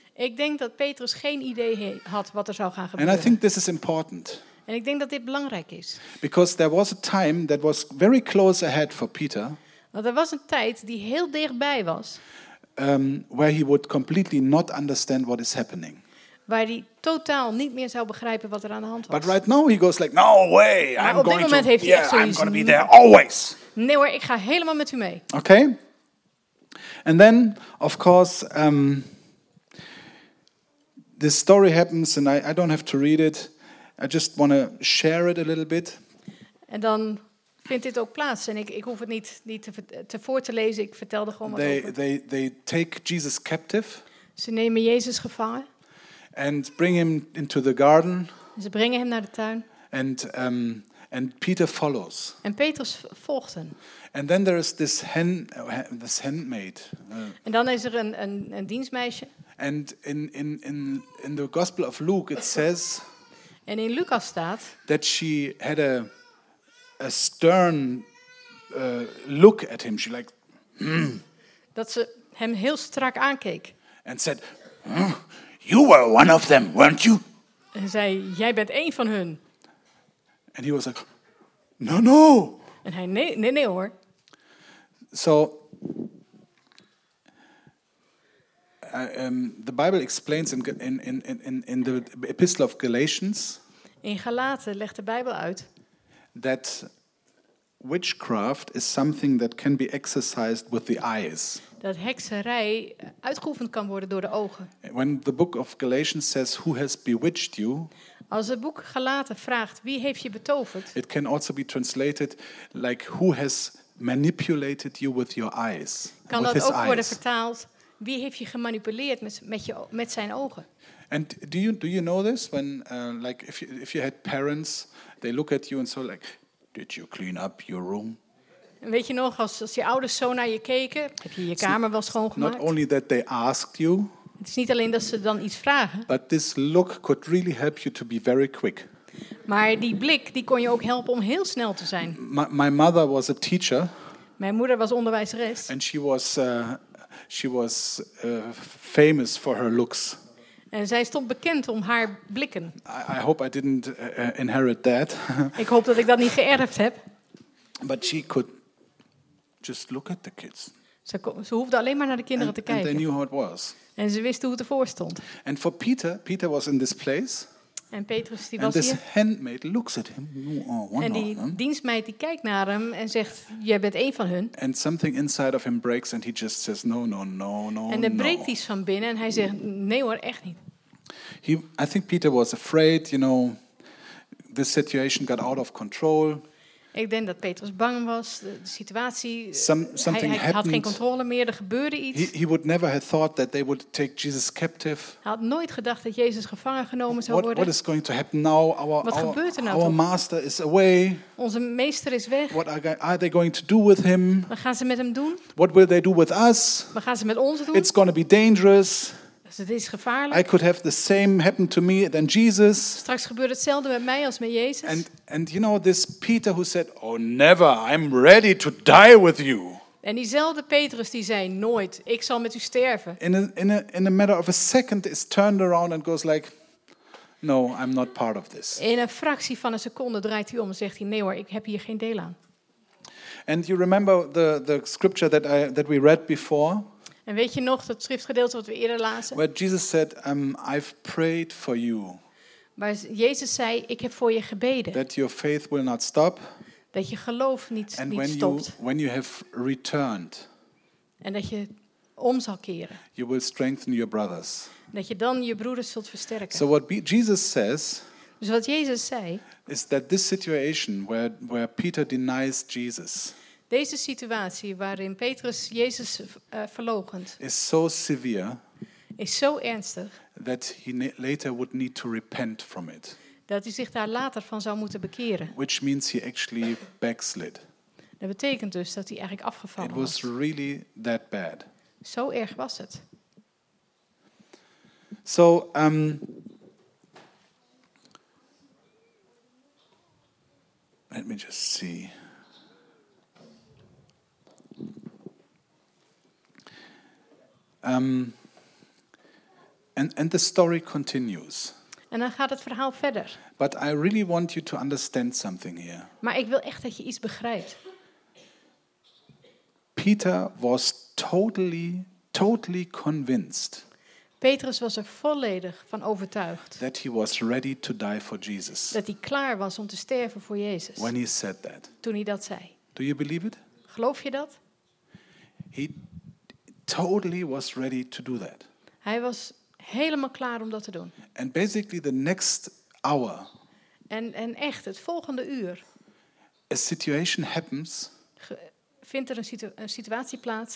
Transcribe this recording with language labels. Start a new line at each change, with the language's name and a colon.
Dutch: Ik denk dat Petrus geen idee had wat er zou gaan gebeuren.
English: And I think this is important.
Dutch: En ik denk dat dit belangrijk is.
English: Because there was a time that was very close ahead for Peter.
Dutch: Want er was een tijd die heel dichtbij was.
English: Where he would completely not understand what is happening.
Dutch: Waar hij totaal niet meer zou begrijpen wat er aan de hand was.
English: But right now he goes like, no way,
Dutch: maar
English: I'm going to,
Dutch: heeft hij yeah, zoiets,
English: I'm going to be there always.
Dutch: Nee hoor, ik ga helemaal met u mee.
English: Okay. And then, of course, this story happens and I don't have to read it. I just want to share it a little bit.
Dutch: En dan vindt dit ook plaats en ik hoef het niet te voor te lezen. Ik vertelde gewoon wat
English: they take Jesus captive.
Dutch: Ze nemen Jezus gevangen.
English: And bring him into the garden.
Dutch: Ze brengen hem naar de tuin.
English: And Peter follows.
Dutch: En Petrus volgt hem.
English: And then there is this handmaid.
Dutch: En dan is er een dienstmeisje.
English: And in the Gospel of Luke it says.
Dutch: En in Lucas staat.
English: That she had a stern look at him. She like,
Dutch: Dat ze hem heel strak aankeek.
English: And said, you were one of them, weren't you?
Dutch: En zei, jij bent één van hun.
English: And he was like, no.
Dutch: En hij, nee hoor.
English: So, the Bible explains in the Epistle of Galatians.
Dutch: In Galaten legt de Bijbel uit.
English: That witchcraft is something that can be exercised with the eyes.
Dutch: Dat hekserij uitgeoefend kan worden door de ogen.
English: When the book of Galatians says who has bewitched you?
Dutch: Als het boek Galaten vraagt wie heeft je betoverd?
English: It can also be translated like who has manipulated you with your eyes.
Dutch: Kan
English: with
Dutch: dat
English: his
Dutch: ook
English: eyes.
Dutch: Worden vertaald wie heeft je gemanipuleerd met zijn ogen?
English: And do you know this when like if you had parents they look at you and so like Did you clean up your room?
Dutch: En weet je nog, als je ouders zo naar je keken, heb je je kamer wel schoongemaakt?
English: Not only that they asked you.
Dutch: Het is niet alleen dat ze dan iets vragen.
English: But this look could really help you to be very quick.
Dutch: Maar die blik, die kon je ook helpen om heel snel te zijn.
English: My mother was a teacher.
Dutch: Mijn moeder was onderwijzeres.
English: And she was famous for her looks.
Dutch: En zij stond bekend om haar blikken.
English: I hope I didn't inherit that.
Dutch: Ik hoop dat ik dat niet geërfd heb.
English: But she could just look at the kids.
Dutch: Ze hoefde alleen maar naar de kinderen te kijken.
English: And they knew how it was.
Dutch: En ze wisten hoe het ervoor stond.
English: And for Peter was in this place.
Dutch: En Petrus die
English: and was this
Dutch: hier.
English: Handmaid looks at him. Oh,
Dutch: en die dienstmeid die kijkt naar hem en zegt: jij bent één van hun.
English: And something inside of him breaks and he just says: no, no, no, no.
Dutch: En dan
English: no.
Dutch: breekt iets van binnen en hij zegt: nee hoor, echt niet.
English: I think Peter was afraid. You know, this situation got out of control.
Dutch: Ik denk dat Petrus bang was. De situatie. Hij had geen controle meer. Er gebeurde iets.
English: He would never have thought that they would take Jesus captive.
Dutch: Hij had nooit gedacht dat Jezus gevangen genomen zou worden.
English: What is going to happen now?
Dutch: Wat gebeurt er nou?
English: Our master is away.
Dutch: Onze meester is weg.
English: What are they going to do with him?
Dutch: Wat gaan ze met hem doen?
English: What will they do with us?
Dutch: Wat gaan ze met ons doen?
English: It's going to be dangerous.
Dutch: Het is gevaarlijk.
English: I could have the same happen to me than Jesus.
Dutch: Straks gebeurt hetzelfde met mij als met Jezus.
English: And you know this Peter who said, oh never, I'm ready to die with you.
Dutch: En diezelfde Petrus die zei nooit, ik zal met u sterven.
English: In a matter of a second is turned around and goes like, no, I'm not part of this.
Dutch: In een fractie van een seconde draait hij om en zegt hij, nee hoor, ik heb hier geen deel aan.
English: And you remember the scripture that we read before?
Dutch: En weet je nog dat schriftgedeelte wat we eerder lazen?
English: Where Jesus said, I've prayed for you.
Dutch: Waar Jezus zei, ik heb voor je gebeden.
English: That your faith will not stop.
Dutch: Dat je geloof niet stopt.
English: And when you have returned.
Dutch: En dat je om zal keren.
English: You will strengthen your brothers.
Dutch: Dat je dan je broeders zult versterken.
English: So what Jesus says.
Dutch: Dus wat Jezus zei.
English: Is that this situation where Peter denies Jesus.
Dutch: Deze situatie waarin Petrus Jezus verloochent
English: is so severe,
Dutch: is zo ernstig
English: that he later would need to repent from it.
Dutch: Dat hij zich daar later van zou moeten bekeren.
English: Which means he actually backslid.
Dutch: Dat betekent dus dat hij eigenlijk afgevallen was.
English: It was really that bad.
Dutch: Zo erg was het.
English: So let me just see. And the story continues.
Dutch: En dan gaat het verhaal verder.
English: But I really want you to understand something here.
Dutch: Maar ik wil echt dat je iets begrijpt.
English: Peter was totally, totally convinced.
Dutch: Petrus was er volledig van overtuigd.
English: That he was ready to die for Jesus.
Dutch: Dat hij klaar was om te sterven voor Jezus.
English: When he said that.
Dutch: Toen hij dat zei.
English: Do you believe it?
Dutch: Geloof je dat?
English: He totally was ready to do that.
Dutch: Hij was helemaal klaar om dat te doen.
English: And basically the next hour.
Dutch: En echt het volgende uur.
English: A situation happens.
Dutch: Vindt er een situatie plaats.